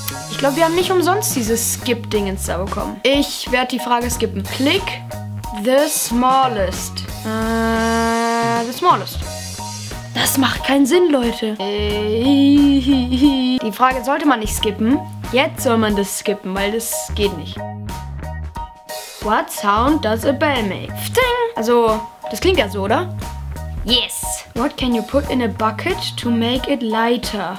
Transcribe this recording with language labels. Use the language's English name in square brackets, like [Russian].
[German] Ich glaube, wir haben nicht umsonst dieses Skip-Ding ins da bekommen. Ich werde die Frage skippen. [English] Click the smallest. The smallest. [German] Das macht keinen Sinn, Leute. Die Frage sollte man nicht skippen. Jetzt soll man das skippen, weil das geht nicht. [English] What sound does a bell make? [German] Also, das klingt ja so, oder? [English] Yes. What can you put in a bucket to make it lighter?